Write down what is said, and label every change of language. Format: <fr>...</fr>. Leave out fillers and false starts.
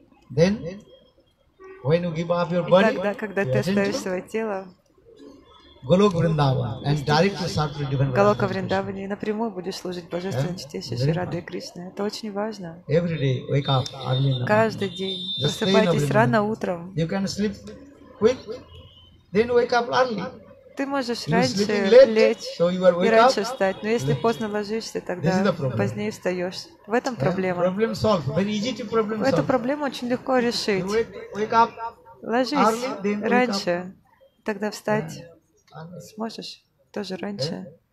<en>Then, when you give up your body,</en> <ru>тогда, когда ты оставишь свое тело,</ru> <en>Голока Вриндава, and directly serve the Divine Lord.</en> <ru>Голока Вриндавани, и напрямую будешь служить Божественной Чтеше Шри Раде Кришне. Это очень важно.</ru> <en>Every day, wake up early in the</en> <ru>каждый день просыпайтесь рано утром.</ru> <en>You can sleep quick, then wake up early.</en> <ru>Ты можешь раньше лечь и раньше встать, но если поздно ложишься, тогда позднее встаешь. В этом проблема. Эту проблему очень легко решить. Ложись раньше, тогда встать сможешь тоже раньше.</ru>